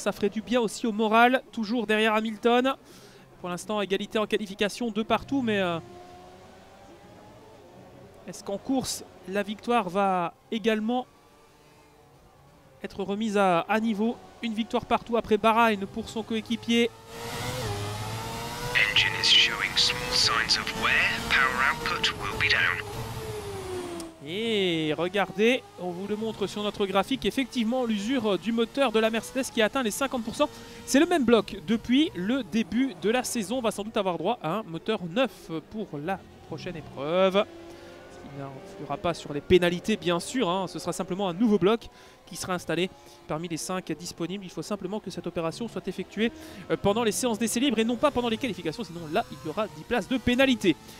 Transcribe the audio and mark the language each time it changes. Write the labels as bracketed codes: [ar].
[fr] Ça ferait du bien aussi au moral, toujours derrière Hamilton. Pour l'instant, égalité en qualification, deux partout. Mais est-ce qu'en course, la victoire va également être remise à niveau? Une victoire partout après Bahreïn pour son coéquipier. [en] Engine is showing small signs of wear. Power output will be down. [fr] Et regardez, on vous le montre sur notre graphique, effectivement l'usure du moteur de la Mercedes qui a atteint les 50%. C'est le même bloc depuis le début de la saison. On va sans doute avoir droit à un moteur neuf pour la prochaine épreuve. Il n'y aura pas sur les pénalités bien sûr, hein. Ce sera simplement un nouveau bloc qui sera installé parmi les 5 disponibles. Il faut simplement que cette opération soit effectuée pendant les séances d'essai libre et non pas pendant les qualifications, sinon là il y aura 10 places de pénalité.